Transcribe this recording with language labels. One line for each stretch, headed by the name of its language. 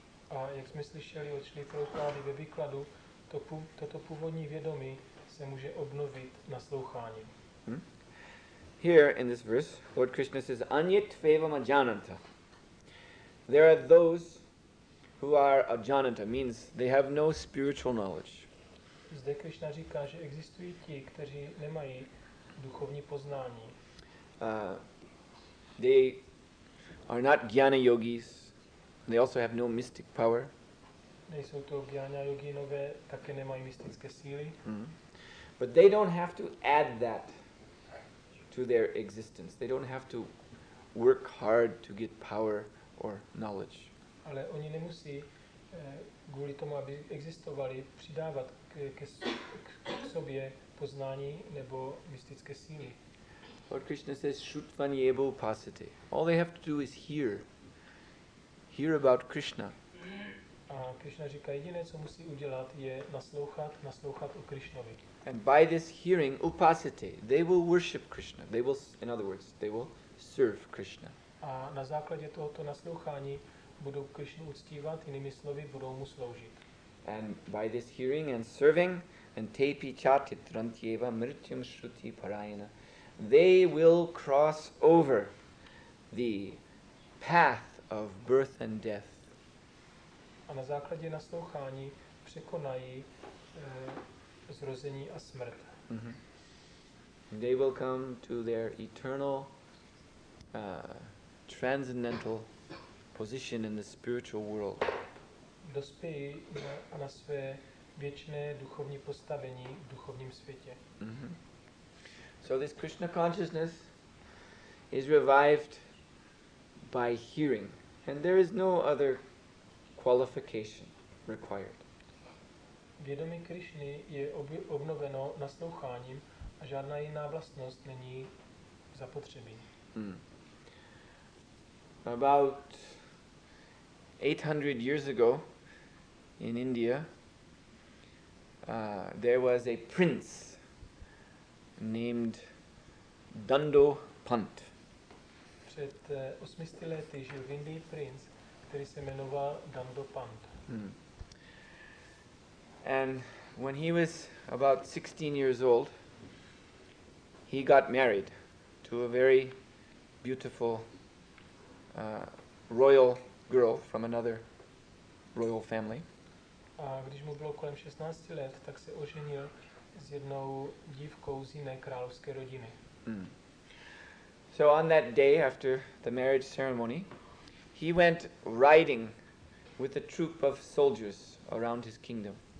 Czech: A jak jsme slyšeli od Srila Prabhupady ve výkladu, toto původní vědomí se může obnovit nasloucháním.
English: Here in this verse, Lord Krishna says,
Sanskrit: Anyetvevam ajananta.
English: There are those who are ajananta, means they have no spiritual knowledge.
Czech: Zde Krishna říká, že existují ti, kteří nemají duchovní poznání.
English: They are not jnana yogis. They also have no mystic power.
Czech: Nejsou to jnana yoginové, také nemají mystické síly.
English: But they don't have to add that to their existence. They don't have to work hard to get power or knowledge.
Czech: Ale oni nemusí kvůli tomu, aby existovali, přidávat k sobě poznání nebo mystické síly.
English: Lord Krishna says,
Sanskrit: "Shrutvani eva upasate."
English: All they have to do is hear about Krishna.
Czech: A Krishna říká, jediné, co musí udělat, je naslouchat o Krishnovi.
English: And by this hearing, upasate, they will worship Krishna. They will, in other words, they will serve Krishna.
Czech: A na základě tohoto naslouchání budou Krishnu uctívat, jinými slovy, budou mu sloužit.
English: And by this hearing and serving, and
Sanskrit: tepi chatit rantyeva mrityam shruti parayana,
English: they will cross over the path of birth and death.
Czech: A na základě naslouchání překonají zrození a smrt.
English: They will come to their eternal transcendental position in the spiritual world.
Czech: Dospějí na své věčné duchovní postavení v duchovním světě.
English: So this Krishna consciousness is revived by hearing, and there is no other qualification required.
Czech: Vědomí Krishny je obnoveno nasloucháním a žádná jiná vlastnost není zapotřebí.
English: About 800 years ago in India, there was a prince named Dandopant.
Czech: Před 800 lety žil v Indii prince, který se jmenoval Dandopant.
English: And when he was about 16 years old, he got married to a very beautiful royal girl from another royal family.
Czech: A když mu bylo kolem 16 let, tak se oženil s jednou dívkou z jiné královské rodiny.
English: So on that day after the marriage ceremony, he went riding with a troop of soldiers around his kingdom.